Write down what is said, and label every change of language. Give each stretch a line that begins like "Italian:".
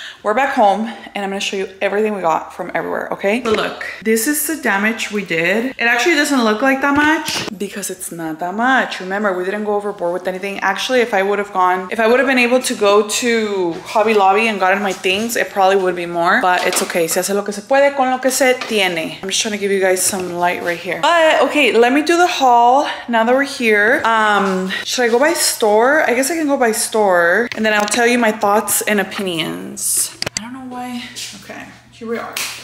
English: We're back home, and I'm gonna show you everything we got from everywhere, okay? But look, this is the damage we did. It actually doesn't look like that much because it's not that much. Remember, we didn't go overboard with anything. Actually, if I would have been able to go to Hobby Lobby and gotten my things, it probably would be more, but it's okay.
Spanish: Se hace lo que se puede con lo que se tiene.
English: I'm just trying to give you guys some light right here. But okay, let me do the haul now that we're here. Should I go by store? I guess I can go by store, and then I'll tell you my thoughts and opinions. Okay, here we are.